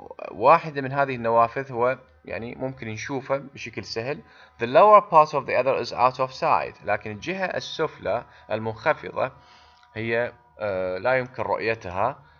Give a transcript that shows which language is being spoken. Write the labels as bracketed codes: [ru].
[ar] واحدة من هذه النوافذ هو يعني ممكن نشوفها بشكل سهل. [en] The lower part of the other is out of sight. [ar] لكن الجهة السفلى المنخفضة هي لا يمكن رؤيتها.